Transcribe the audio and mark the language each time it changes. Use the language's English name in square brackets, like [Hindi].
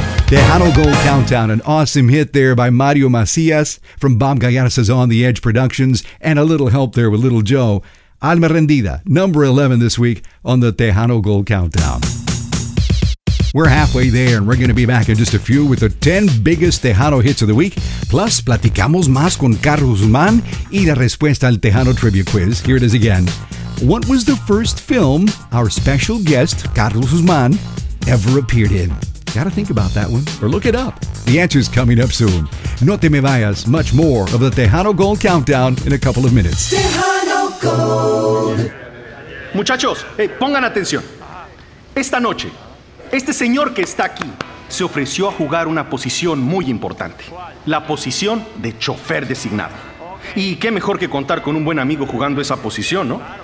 [English] Donald Gold Countdown, an awesome hit there by Mario Macias from Bob Gallarza's On the Edge Productions, and a little help there with Little Joe. Alma Rendida, number 11 this week on the Tejano Gold Countdown. We're halfway there, and we're going to be back in just a few with the 10 biggest Tejano hits of the week. [Spanish] Plus, platicamos más con Carlos Guzmán y la respuesta al Tejano Trivia Quiz. [English] Here it is again. What was the first film our special guest, Carlos Guzmán, ever appeared in? Got to think about that one, or look it up. The answer's coming up soon. [Spanish] No te me vayas. [English] Much more of the Tejano Gold Countdown in a couple of minutes. Tejano Gold. [Spanish] Muchachos, hey, pongan atención. Esta noche, este señor que está aquí se ofreció a jugar una posición muy importante. La posición de chofer designado. Y qué mejor que contar con un buen amigo jugando esa posición, ¿no?